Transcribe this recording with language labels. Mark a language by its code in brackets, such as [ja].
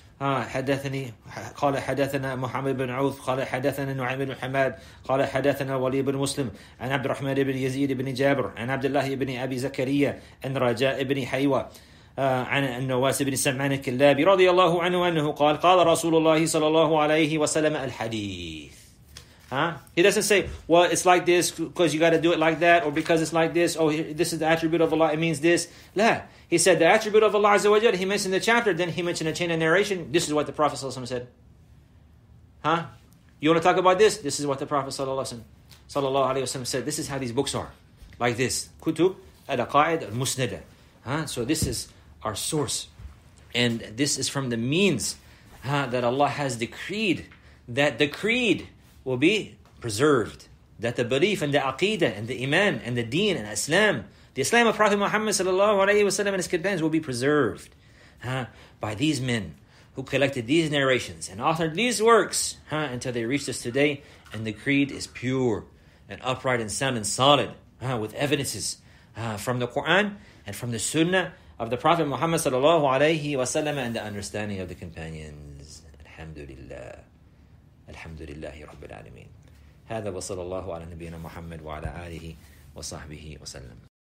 [ar] حدثني قال حدثنا محمد بن عوف قال حدثنا نعيم بن حماد قال حدثنا ولي بن مسلم عن عبد الرحمن بن يزيد بن جابر عن عبد الله بن أبي زكريا عن رجاء بن حيوة عن النواس بن سمعان الكلابي رضي الله عنه أنه قال قال رسول الله صلى الله عليه وسلم الحديث. [en] He doesn't say, well, it's like this because you got to do it like that, or because it's like this, oh, this is the attribute of Allah, it means this. La. He said, the attribute of Allah Azza wa Jal, he mentioned the chapter, then he mentioned a chain of narration. This is what the Prophet ﷺ said. Huh? You want to talk about this? This is what the Prophet ﷺ said. This is how these books are. Like this. Kutub al-Aqaid al-Musnada. So this is our source. And this is from the means that Allah has decreed that the creed will be preserved. That the belief and the aqidah and the iman and the deen and Islam, the Islam of Prophet Muhammad sallallahu alayhi wa sallam and his companions will be preserved by these men who collected these narrations and authored these works until they reached us today. And the creed is pure and upright and sound and solid with evidences from the Quran and from the Sunnah of the Prophet Muhammad sallallahu alayhi wa sallam and the understanding of the companions. [ar] Alhamdulillah. Alhamdulillahi Rabbil Alameen. هذا وصلى الله على نبينا محمد وعلى آله وصحبه وسلم.